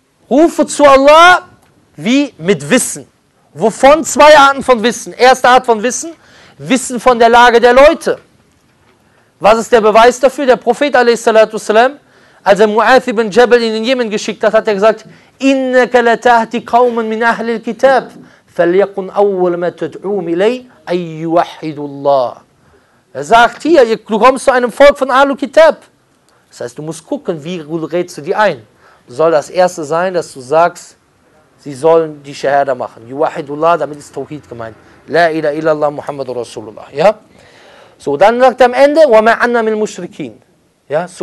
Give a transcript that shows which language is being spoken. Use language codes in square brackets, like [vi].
[de] Rufe zu Allah, wie mit Wissen. Wovon? Zwei Arten von Wissen. Erste Art von Wissen, Wissen von der Lage der Leute. Was ist der Beweis dafür? Der Prophet a.s., als er Mu'ath ibn Jabal in den Jemen geschickt hat, hat er gesagt, [ar] Inna kalatahti qawman min ahlil kitab, فليكن أول ما تدعوهم إلي أن يوحدوا الله. [de] Sagt hier, du kommst zu einem Volk von Ahlul Kitab. Das heißt, du musst gucken, wie rätst du die ein. Soll das erste sein, dass du sagst, sie sollen die Shahada machen. Yuwahidullah, damit ist Tawhid gemeint. [ar] La ilaha illallah Muhammadur Rasulullah. [de] Ja? So, dann sagt er am Ende, [ar] wa ma'anna min mushrikin. [de] Ja?